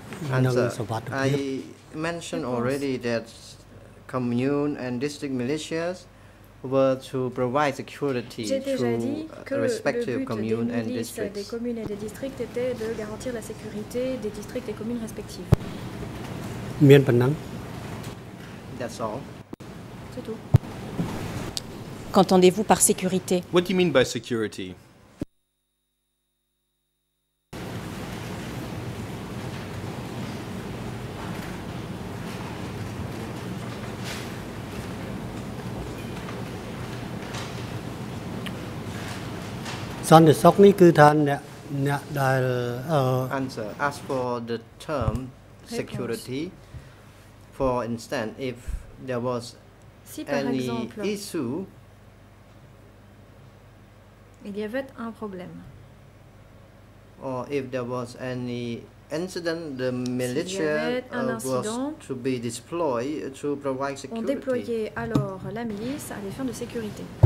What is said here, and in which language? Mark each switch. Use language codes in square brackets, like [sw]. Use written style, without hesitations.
[en] I mentioned already that commune and district militias were to provide security to respective commune and districts. [fr] Des communes et des districts était de garantir la sécurité des districts et communes respectives. [en] That's all. [fr] C'est tout. Qu'entendez-vous par sécurité? [en] What do you mean by security? Answer. As for the term security, for instance, if there was any issue, [fr] il y avait un problème. [en] Or if there was any incident, the militia was to be deployed to provide security. [fr] On déployait alors la milice à des fins de sécurité.